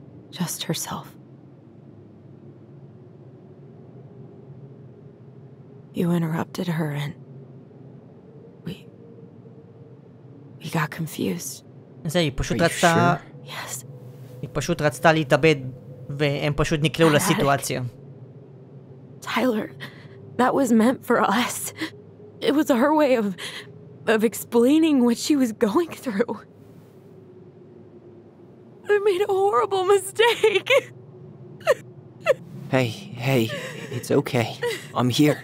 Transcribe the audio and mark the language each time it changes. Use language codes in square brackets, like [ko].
[en] Just herself. You interrupted her and we got confused. [he] זה, היא פשוט רצתה... [en] Yes. [he] היא פשוט רצתה להתאבד והם פשוט נקלעו לסיטואציה. [en] Tyler, that was meant for us. It was our way of explaining what she was going through. I made a horrible mistake. Hey, it's okay. I'm here.